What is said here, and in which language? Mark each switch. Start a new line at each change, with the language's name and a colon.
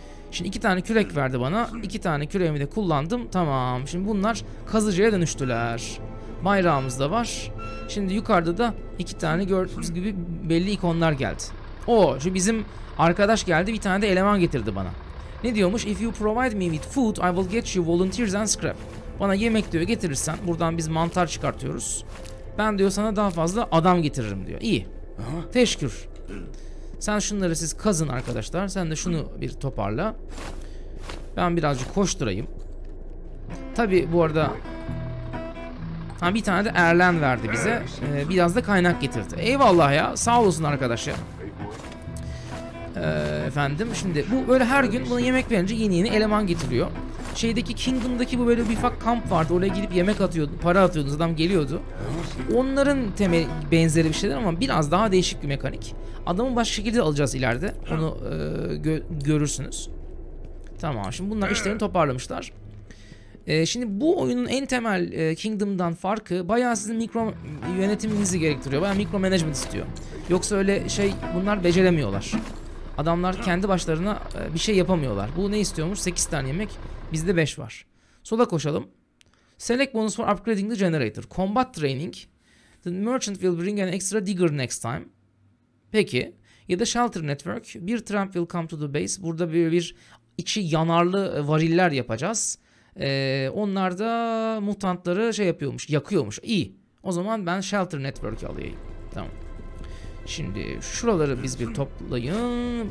Turkish: Şimdi iki tane kürek verdi bana. İki tane küreğimi de kullandım. Tamam. Şimdi bunlar kazıcıya dönüştüler. Bayrağımız da var. Şimdi yukarıda da iki tane gördüğünüz gibi belli ikonlar geldi. Oo, şu bizim arkadaş geldi, bir tane de eleman getirdi bana. Ne diyormuş?
English: If you provide me with food, I will get you volunteers and scrap.
Turkish: Bana yemek diyor getirirsen, buradan biz mantar çıkartıyoruz. Ben diyor sana daha fazla adam getiririm diyor. İyi. Teşekkür. Sen şunları siz kazın arkadaşlar. Sen de şunu bir toparla. Ben birazcık koşturayım. Tabii bu arada... Ha, bir tane de Erlen verdi bize. Biraz da kaynak getirdi. Eyvallah ya. Sağ olsun arkadaş ya. Efendim şimdi bu böyle her gün buna yemek verince yeni yeni eleman getiriyor. Şeydeki Kingdom'daki bu böyle bir ufak kamp vardı. Oraya gidip yemek atıyordu, para atıyordunuz, adam geliyordu. Onların temeli benzeri bir şeyler ama biraz daha değişik bir mekanik. Adamı başka şekilde alacağız ileride. Onu görürsünüz. Tamam, şimdi bunlar işlerini toparlamışlar. Şimdi bu oyunun en temel Kingdom'dan farkı bayağı sizin mikro yönetiminizi gerektiriyor. Bayağı mikro management istiyor. Yoksa öyle şey, bunlar beceremiyorlar. Adamlar kendi başlarına bir şey yapamıyorlar. Bu ne istiyormuş? 8 tane yemek. Bizde 5 var. Sola koşalım.
English: Select bonus for upgrading the generator. Combat training. The merchant will bring an extra digger next time.
Turkish: Peki. Ya da
English: shelter network. Bir tramp will come to the base.
Turkish: Burada böyle bir içi yanarlı variller yapacağız. Onlar da mutantları şey yapıyormuş, yakıyormuş. İyi. O zaman ben shelter network alayım. Tamam. Şimdi şuraları biz bir toplayın.